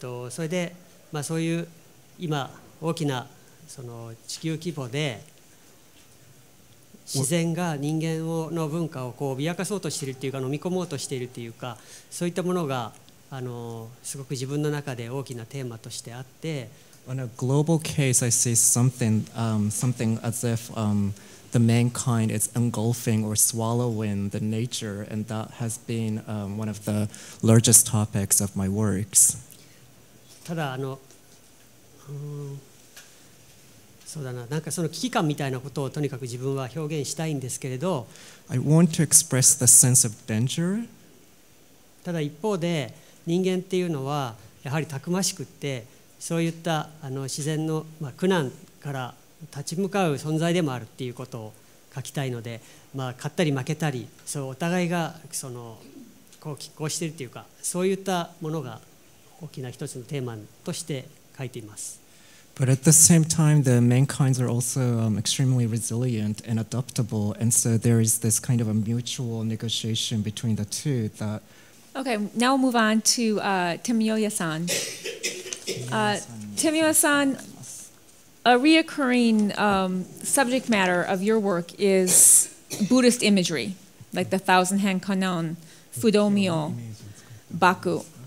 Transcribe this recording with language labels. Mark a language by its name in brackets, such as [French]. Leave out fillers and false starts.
[Japanese] それで、まあ、そういう今大きなその地球規模で自然が人間をの文化をこう脅かそうとしているというか飲み込もうとしているというかそういったものがすごく自分の中で大きなテーマとしてあって。 [English] On a global case, I see something, something as if the mankind is engulfing or swallowing the nature, and that has been one of the largest topics of my works. [Japanese] ただ、そうだな、なんかその危機感みたいなことをとにかく自分は表現したいんですけれど。 [English] I want to express the sense of danger. [Japanese] ただ一方で、人間っていうのはやはりたくましくって、そういった自然の、まあ、苦難から立ち向かう存在でもあるっていうことを書きたいので、まあ、勝ったり負けたりそうお互いがそのこう拮抗しているというかそういったものが大きな一つのテーマとして書いています。 [English] But at the same time, the mankinds are also extremely resilient and adaptable, and so there is this kind of a mutual negotiation between the two that. Okay, now we'll move on to Temioya-san. Temioya-san, a reoccurring subject matter of your work is Buddhist imagery, like the Thousand Hand Kanon, Fudomyo, Baku.